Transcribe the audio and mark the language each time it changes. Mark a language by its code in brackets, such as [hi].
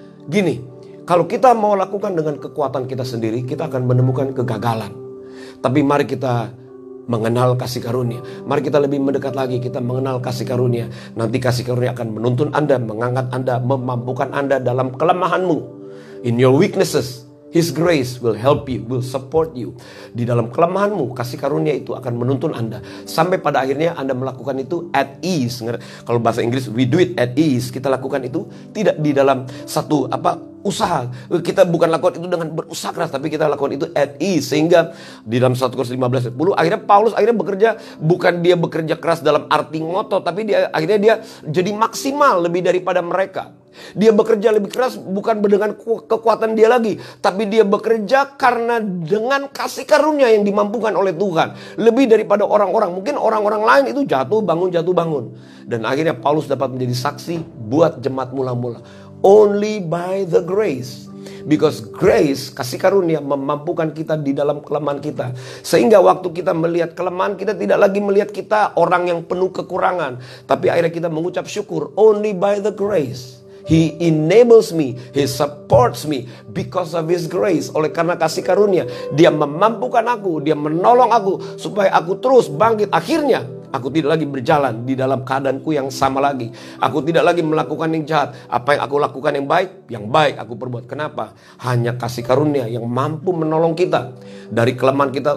[id] Gini, kalau kita mau lakukan dengan kekuatan kita sendiri, kita akan menemukan kegagalan. Tapi mari kita mengenal kasih karunia. Mari kita lebih mendekat lagi, kita mengenal kasih karunia. Nanti kasih karunia akan menuntun Anda, mengangkat Anda, memampukan Anda dalam kelemahanmu. [en] In your weaknesses, His grace will help you, will support you. [id] Di dalam kelemahanmu, kasih karunia itu akan menuntun Anda. Sampai pada akhirnya Anda melakukan itu at ease. Kalau bahasa Inggris, we do it at ease. Kita lakukan itu tidak di dalam satu usaha. Kita bukan lakukan itu dengan berusaha keras, tapi kita lakukan itu at ease. Sehingga di dalam 1 Korintus 15 10, akhirnya Paulus akhirnya bekerja, bukan dia bekerja keras dalam arti ngotot, tapi dia akhirnya dia jadi maksimal lebih daripada mereka. Dia bekerja lebih keras bukan dengan kekuatan dia lagi, tapi dia bekerja karena dengan kasih karunia yang dimampukan oleh Tuhan, lebih daripada orang-orang. Mungkin orang-orang lain itu jatuh bangun. Dan akhirnya Paulus dapat menjadi saksi buat jemaat mula-mula, only by the grace. Because grace, kasih karunia, memampukan kita di dalam kelemahan kita. Sehingga waktu kita melihat kelemahan, kita tidak lagi melihat kita orang yang penuh kekurangan, tapi akhirnya kita mengucap syukur, only by the grace. [en] He enables me, He supports me because of His grace. [id] Oleh karena kasih karunia, Dia memampukan aku, Dia menolong aku supaya aku terus bangkit. Akhirnya aku tidak lagi berjalan di dalam keadaanku yang sama lagi. Aku tidak lagi melakukan yang jahat. Apa yang aku lakukan yang baik aku perbuat. Kenapa? Hanya kasih karunia yang mampu menolong kita dari kelemahan kita.